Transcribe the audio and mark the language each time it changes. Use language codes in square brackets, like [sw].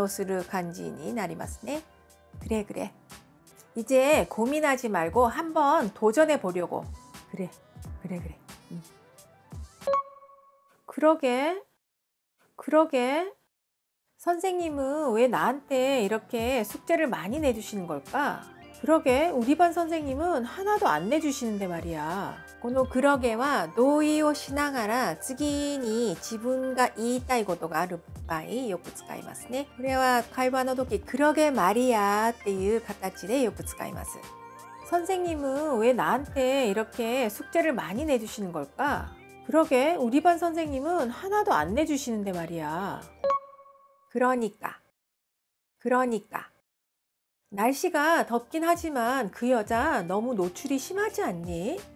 [ja] これは深刻に受け止めているよりは軽く反応する感じになりますね。 [ko] 그래, 그래. 이제 고민하지 말고 한번 도전해 보려고. 그래, 그래, 그래. 그러게, 그러게. 선생님은 왜 나한테 이렇게 숙제를 많이 내주시는 걸까? 그러게, 우리 반 선생님은 하나도 안 내주시는데 말이야. [ja] このくろげは同意をしながら次に自分が言いたいことがある場合よく使いますね。これは会話の時くろげマリアっていう形でよく使います。 [ko] 선생님은 왜 나한테 이렇게 숙제를 많이 내주시는 걸까? 그러게, 우리 반 선생님은 하나도 안 내주시는데 말이야. 그러니까, 그러니까. 날씨가 덥긴 하지만 그 여자 너무 노출이 심하지 않니?